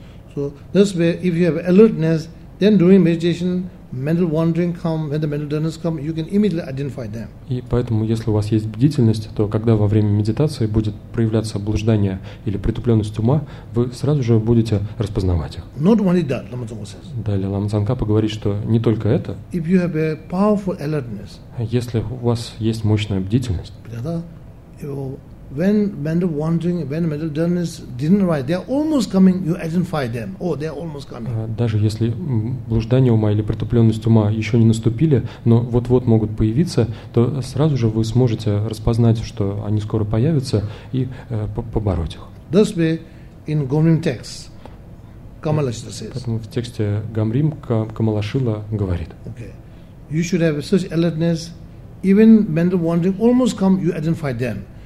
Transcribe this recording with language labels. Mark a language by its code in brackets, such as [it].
[en] So that's why, if you have alertness, then during meditation, mental wandering come, when the mental dullness come, you can immediately identify them. [ru] И поэтому, если у вас есть бдительность, то когда во время медитации будет проявляться блуждание или притупленность ума, вы сразу же будете распознавать их. [en] Not only that, Lama Tsongkhapa says. [ru] Далее Лама Цанкапа говорит, что не только это. [en] If you have a powerful alertness. [ru] Если у вас есть мощная бдительность. Да, да. [en] When mental wandering, when mental dullness didn't arise, they are almost coming, you identify them. Oh, they are almost coming. [ru] Даже если блуждание ума или притупленность ума еще не наступили, но вот-вот могут появиться, то сразу же вы сможете распознать, что они скоро появятся, и побороть их. [en] That's why in Gomrim text, Kamalashila says. [ru] Поэтому в тексте Гамрим Камалашила говорит. [en] Okay. You should have such alertness, even mental wandering almost come, you identify them.